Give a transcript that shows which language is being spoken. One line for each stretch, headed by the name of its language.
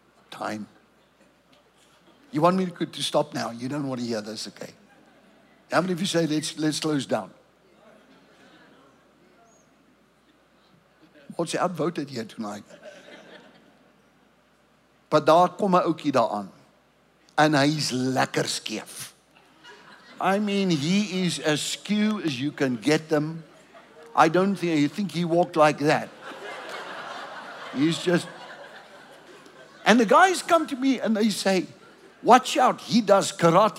English: Time. You want me to stop now? You don't want to hear this, okay? How many of you say, let's close down? What's outvoted here tonight?
Afrikaans: But daar kom 'n ouetjie daar aan.
English: And he's
Afrikaans: lekker skeef.
English: I mean, he is as skew as you can get them. I don't think, you think he walked like that. He's just... And the guys come to me and they say, watch out, he does karate.